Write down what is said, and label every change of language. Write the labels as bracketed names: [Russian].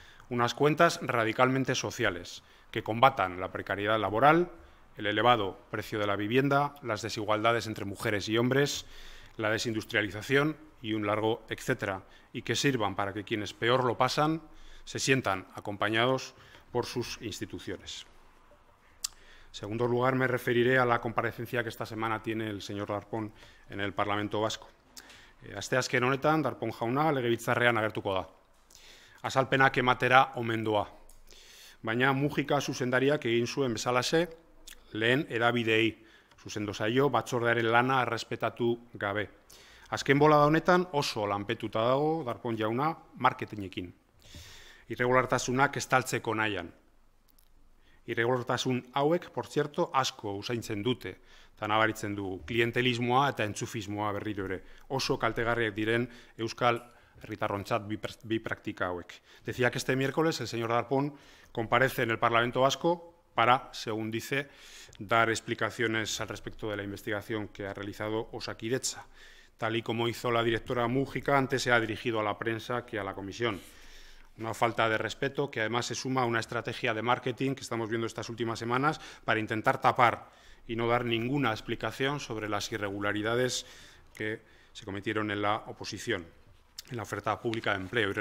[Spanish] Unas cuentas radicalmente sociales que combatan la precariedad laboral, el elevado precio de la vivienda, las desigualdades entre mujeres y hombres, la desindustrialización y un largo etcétera, y que sirvan para que quienes peor lo pasan se sientan acompañados por sus instituciones. En segundo lugar, me referiré a la comparecencia que esta semana tiene el señor Darpón en el Parlamento Vasco. [Basque] Asteazken honetan, Darpón jauna, legebiltzarrean agertuko da. Azalpenak ematera omen doa. Baina Mujika zuzendariak egin zuen bezalaxe, lehen erabideei zuzendu zaio batzordearen lana errespetatu gabe. Azken bolada honetan oso lanpetuta dago Darpón jauna marketingekin. Irregulartasunak estaltzeko nahian. Irregulartasun hauek, [Spanish] por cierto, [Basque] asko usaintzen dute, eta nabaritzen du klientelismoa eta entzufismoa berriro ere. Oso kaltegarriak diren euskal herritarrontzat bi praktika hauek. [Spanish] Decía que este miércoles el señor Darpón comparece en el Parlamento Vasco para, según dice, dar explicaciones al respecto de la investigación que ha realizado Osakidetza, tal y como hizo la directora Mújica, antes se ha dirigido a la prensa que a la comisión. Una falta de respeto que además se suma a una estrategia de marketing que estamos viendo estas últimas semanas para intentar tapar y no dar ninguna explicación sobre las irregularidades que se cometieron en la oposición, en la oferta pública de empleo.